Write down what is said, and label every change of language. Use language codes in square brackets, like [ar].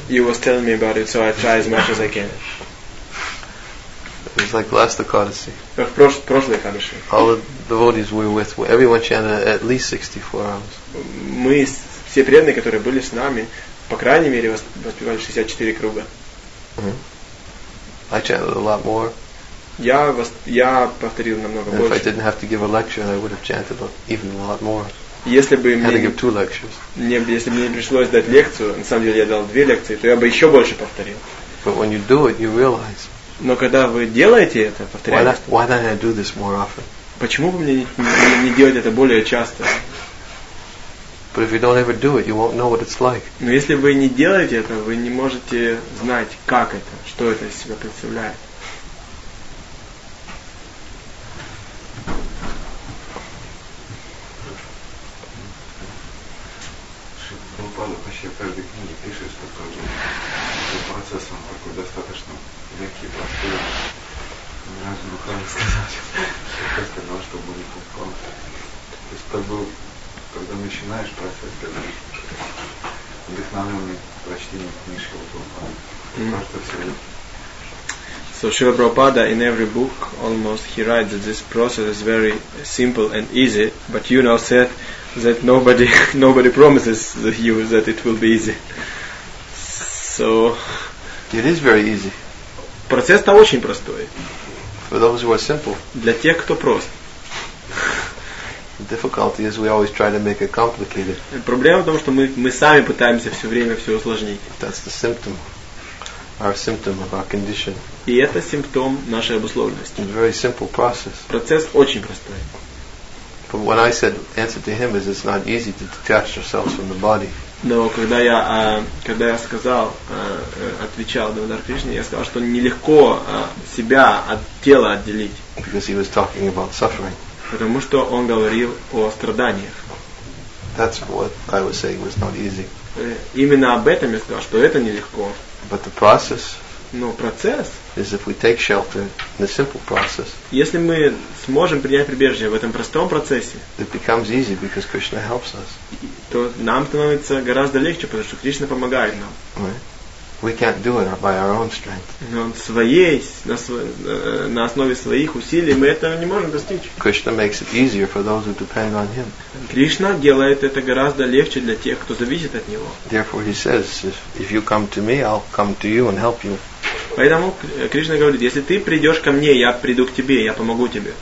[en] You was telling me about it, so I try as much as I can. It was like last Ekadasi. [ru] Прошлый Ekadasi. [en] All the devotees we were with, everyone chanted at least 64 hours. [ru] Мы все преданные, которые были с нами, по крайней мере воспевали 64 круга. [en] I chanted a lot more. [ru] Я повторил намного [en] and [ru] больше. [en] If I didn't have to give a lecture, I would have chanted even a lot more. [ru] Если бы [en] had to give two lectures. [ru] Если бы мне пришлось дать лекцию, на самом деле я дал две лекции, то я бы еще больше повторил. [en] But when you do it, you realize. [ru] Но когда вы делаете это, повторяете. [en] Why don't I do this more often? [ru] Почему бы мне не делать это более часто? [en] But if you don't ever do it, you won't know what it's like. [ru] Но если вы не делаете это, вы не можете знать, как это, что это из себя представляет. Шипрупада почти в каждой книге пишет, что процесс он такой достаточно легкий, простой. Ни разу не хотел сказать, что я сказал, что будет легко. То есть как бы, когда начинаешь процесс, когда вдохновленный прочтением книжки, вот он просто все легко. [en] So Srila Prabhupada in every book almost he writes that this process is very simple and easy, but you now said that nobody promises you that it will be easy. So it is very easy. [ru] Процесс -то очень простой. [en] For those who are simple. [ru] Для тех, кто прост. [en] The difficulty is we always try to make it complicated. [ru] Проблема в том, что мы сами пытаемся все время все усложнить. [en] That's the symptom. Our symptom of our condition. [ru] И это симптом нашей обусловленности. [en] It's a very simple process. [ru] Процесс очень простой. [en] But when I said answer to him is it's not easy to detach ourselves from the body. [ru] Но когда я сказал, отвечал Дандар Кришне, я сказал, что нелегко себя от тела отделить. [en] Because he was talking about suffering. [ru] Потому что он говорил о страданиях. [en] That's what I was saying was not easy. [ru] Именно об этом я сказал, что это нелегко. [en] But the process. [ru] Но процесс. [en] Is if we take shelter in the simple process. [ru] Если мы сможем принять прибежище в этом простом процессе. [en] It becomes easy because Krishna helps us. [ru] То нам становится гораздо легче, потому что Кришна помогает нам. [en] Right? We can't do it by our own strength. [ru] Но на основе своих усилий мы этого не можем достичь. [en] Krishna makes it easier for those who depend on him. [ru] Кришна делает это гораздо легче для тех, кто зависит от него. [en] Therefore he says, if you come to me, I'll come to you and help you. [ru] Поэтому Кришна говорит, если ты придешь ко мне, я приду к тебе, я помогу тебе.